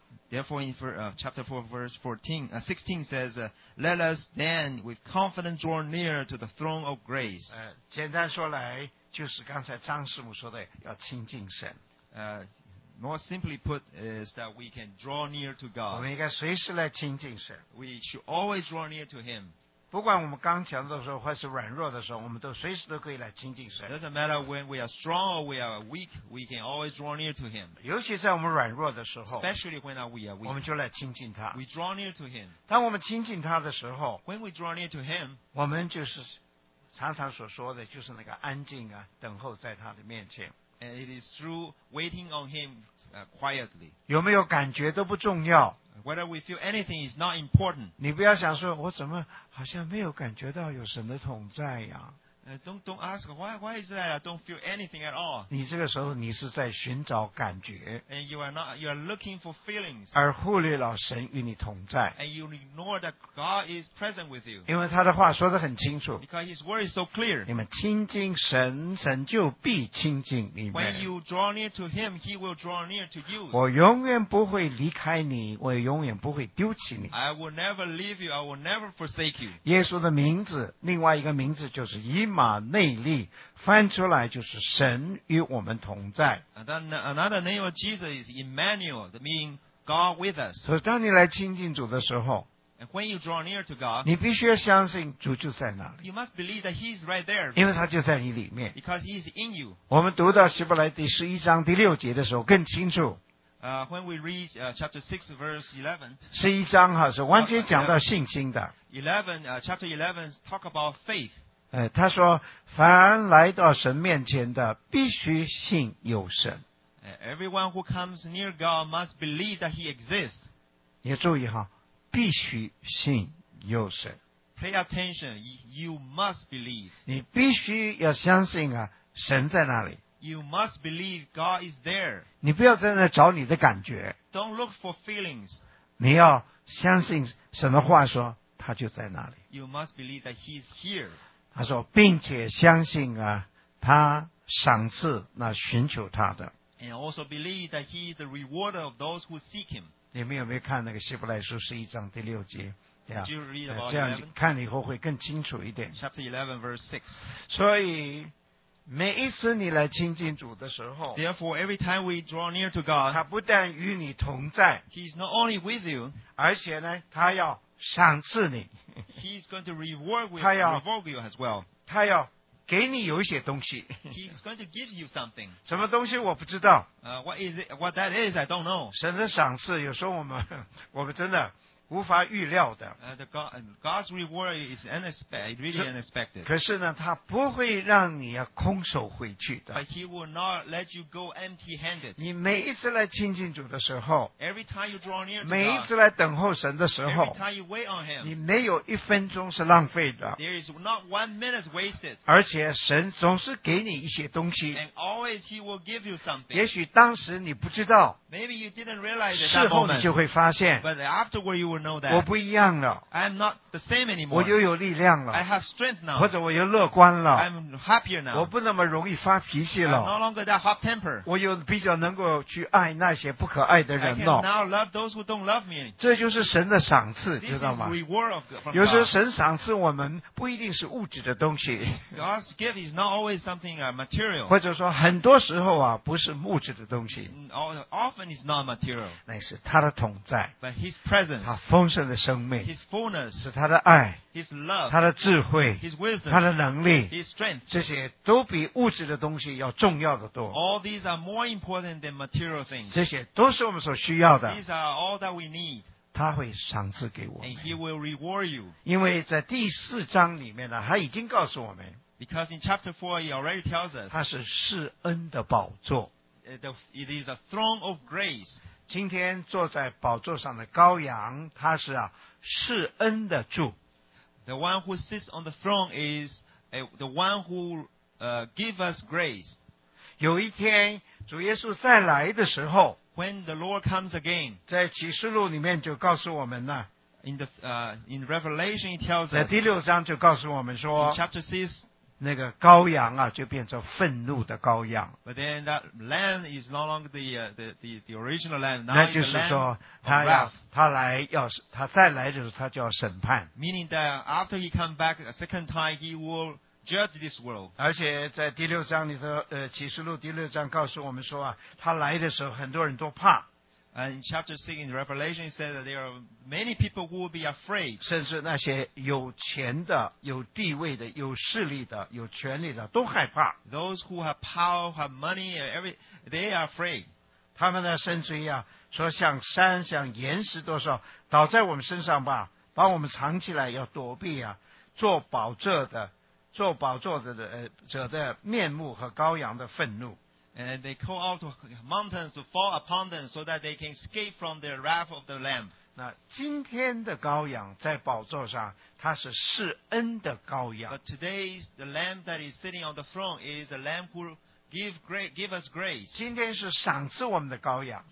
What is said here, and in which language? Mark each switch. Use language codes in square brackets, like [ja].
[en] therefore in chapter 4 verse 14, 16 says let us then with confidence draw near to the throne of grace [zh] 简单说来就是刚才张师母说的要亲近神 [en] More simply put, is that we can draw near to God. We should always draw near to Him. Doesn't matter when we are strong or we are weak, we can always draw near to Him. Especially when we are weak, [zh] 我们就来亲近他。 [en] We draw near to Him. [zh] 当我们亲近他的时候, [en] when we draw near to Him, [zh] 我们就是常常所说的就是那个安静啊，等候在他的面前。 [en] And it is through waiting on him quietly. [zh] 有没有感觉都不重要。 [en] Whether we feel anything is not important. [zh] 你不要想说我怎么好像没有感觉到有神的同在呀。 [en] Don't ask why is that? I don't feel anything at all. [zh] 你这个时候你是在寻找感觉。 [en] And you are looking for feelings. [zh] 而忽略了神与你同在。 [en] And you ignore that God is present with you. [zh] 因为他的话说得很清楚。 [en] Because his word is so clear. [zh] 你们亲近神，神就必亲近你们。 [en] When you draw near to him, he will draw near to you. [zh] 我永远不会离开你，我永远不会丢弃你。 [en] I will never leave you, I will never forsake you. [zh] 耶稣的名字，另外一个名字就是以马内利翻出来就是神与我们同在 [en] Another name of Jesus is Emmanuel that means God with us [zh] 所以当你来亲近主的时候 [en] And when you draw near to God [zh] 你必须要相信主就在那里 [en] You must believe that he's right there [zh] 因为他就在你里面 [en] Because he's in you [zh] 我们读到希伯来第十一章第六节的时候更清楚 [en] When we read chapter 6 verse 11 [zh] 十一章是完全讲到信心的 [en] chapter 11 talk about faith [zh] 他说凡来到神面前的必须信有神。 [en] Everyone who comes near God must believe that he exists. [zh] 你注意哈必须信有神。 [en] Pay attention, you must believe. [zh] 你必须要相信啊神在那里。 [en] You must believe God is there. [zh] 你不要在那找你的感觉。 [en] Don't look for feelings. [zh] 你要相信神的话说他就在那里。 [en] You must believe that he is here. [zh] 他说并且相信啊他赏赐那寻求他的。 [en] And also believe that he is the rewarder of those who seek him. [zh] 你们有没有看那个希伯来书十一章第六节 yeah, 这样看了以后会更清楚一点。 [en] Chapter 11 verse 6. [zh] 所以每一次你来亲近主的时候 [en] Therefore every time we draw near to God, [zh] 他不但与你同在 [en] He is not only with you, [zh] 而且呢他要赏赐你。 [en] He's going to reward you as well. [zh] 他要给你有一些东西。 [en] He's going to give you something. [zh] 什么东西我不知道。 [en] What that is, I don't know. [zh] 神的赏赐有时候我们真的无法预料的。 [en] God's reward is really unexpected. [zh] 可是呢他不会让你空手回去的。 [en] But he will not let you go empty-handed. [zh] 你每一次来亲近主的时候 [en] Every time you draw near to God, [zh] 每一次来等候神的时候 [en] Every time you wait on him, [zh] 你没有一分钟是浪费的。 [en] There is not 1 minute wasted. [zh] 而且神总是给你一些东西。 [en] And always he will give you something. [zh] 也许当时你不知道 [en] Maybe you didn't realize it that moment, [zh] 事后你就会发现 [en] But afterward you will know that. [zh] 我不一样了。 [en] I am not the same anymore. [zh] 我又有力量了。 [en] I have strength now. [zh] 或者我又乐观了。 [en] I'm happier now. [zh] 我不那么容易发脾气了。 [en] I'm no longer that hot temper. [zh] 我又比较能够去爱那些不可爱的人了。 [en] I can now love those who don't love me. [zh] 这就是神的赏赐，知道吗？ [en] This is reward of God. [zh] 有时候神赏赐我们不一定是物质的东西。 [en] God's gift is not always something material. [zh] 或者说很多时候啊，不是物质的东西。 [en] Often heaven is not material. [zh] 乃是他的同在。 [en] But his presence. [zh] 他丰盛的生命。 [en] His fullness. [zh] 是他的爱。 [en] His love. [zh] 他的智慧。 [en] His wisdom. [zh] 他的能力。 [en] His strength. [zh] 这些都比物质的东西要重要的多。 [en] All these are more important than material things. [zh] 这些都是我们所需要的。 [en] These are all that we need. [zh] 他会赏赐给我们。 [en] And he will reward you. [zh] 因为在第四章里面呢，他已经告诉我们。 [en] Because in chapter 4, he already tells us. [zh] 他是施恩的宝座。 [en] It is a throne of grace. [zh] 今天坐在宝座上的羔羊，他是啊施恩的主。 [en] The one who sits on the throne is the one who give us grace. [zh] 有一天主耶稣再来的时候， [en] When the Lord comes again, [zh] 在启示录里面就告诉我们呢。 [en] In Revelation, it tells us. [zh] 在第六章就告诉我们说。 [en] Chapter 6, [zh] 那个羔羊啊，就变成愤怒的羔羊。 [en] But then that lamb is no longer the original lamb. [zh] 那就是说，他再来的时候，他就要审判。 [en] Meaning that after he comes back a second time, he will judge this world. [zh] 而且在第六章里头，启示录第六章告诉我们说啊，他来的时候很多人都怕。 [en] And chapter 6 in Revelation says that there are many people who will be afraid. [zh] 甚至那些有钱的、有地位的、有势力的、有权力的都害怕。 [en] Those who have power, have money, they are afraid. [zh] 他们呢，甚至于啊，说像山、像岩石多少倒在我们身上吧，把我们藏起来，要躲避啊，做保证的。做宝座的者的面目和羔羊的愤怒。 [en] And they call out to mountains to fall upon them so that they can escape from the wrath of the Lamb. [zh] 那今天的羔羊在宝座上，他是施恩的羔羊。 [en] But today's the Lamb that is sitting on the throne is the Lamb who give us grace. [zh] 今天是赏赐我们的羔羊。